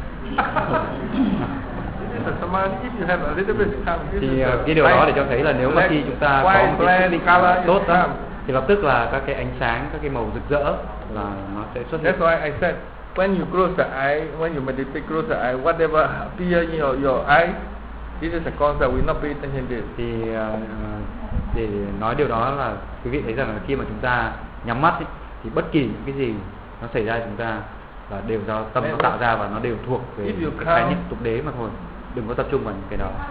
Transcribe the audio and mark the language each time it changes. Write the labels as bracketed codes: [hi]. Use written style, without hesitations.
[en] If you have a little bit of time, [vi] thì cái điều đó để cho thấy là nếu mà khi chúng ta có một cái định tốt đó, thì lập tức là các cái ánh sáng, các cái màu rực rỡ là nó sẽ xuất hiện. [en] That's why I said when you close the eye, when you meditate, close the eye, whatever appear in your eye, this is a cause that we not pay attention to. [vi] Thì để nói điều đó là quý vị thấy rằng là khi mà chúng ta nhắm mắt ý, thì bất kỳ cái gì nó xảy ra chúng ta là đều do tâm nó tạo ra và nó đều thuộc về khái niệm tục đế mà thôi, đừng có tập trung vào những cái đó.